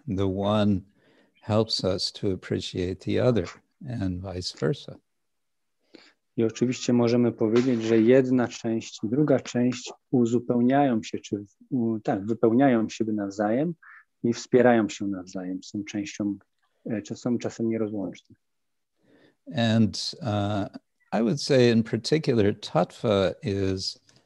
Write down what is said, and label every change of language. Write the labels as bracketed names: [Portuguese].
[English] The one helps us to appreciate the other, and vice versa. [Polish] I oczywiście możemy powiedzieć, że jedna część i druga część uzupełniają się, czy tak, wypełniają siebie nawzajem i wspierają się nawzajem. Są częścią, czasem nierozłączne. [English] And I would say in particular, tattva is...